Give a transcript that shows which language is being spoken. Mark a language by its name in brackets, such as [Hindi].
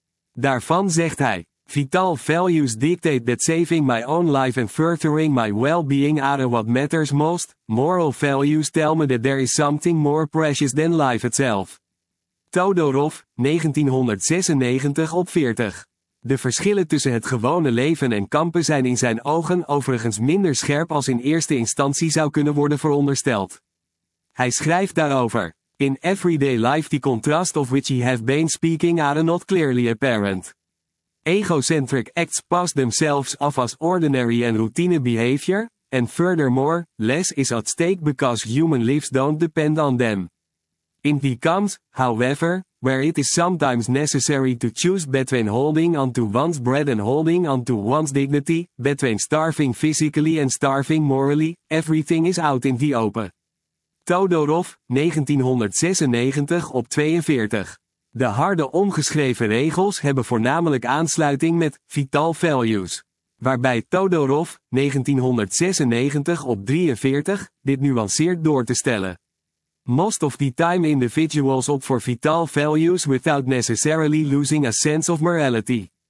[Dutch] Daarvan zegt hij, [English] vital values dictate that saving my own life and furthering my well-being are what matters most, moral values tell me that there is something more precious than life itself. [Dutch] Todorov, 1996 op 40. De verschillen tussen het gewone leven en kampen zijn in zijn ogen overigens minder scherp als in eerste instantie zou kunnen worden verondersteld. Hij schrijft daarover. [English] In everyday life the contrast of which he have been speaking are not clearly apparent. Egocentric acts pass themselves off as ordinary and routine behavior, and furthermore, less is at stake because human lives don't depend on them. It becomes, however, where it is sometimes necessary to choose between holding on to one's bread and holding on to one's dignity, between starving physically and starving morally, everything is out in the open. [Dutch] Todorov, 1996 op 42. De harde ongeschreven regels hebben voornamelijk aansluiting met vital values. Waarbij Todorov, 1996 op 43, dit nuanceert door te stellen. [English] Most of the time individuals opt for vital values without necessarily losing a sense of morality.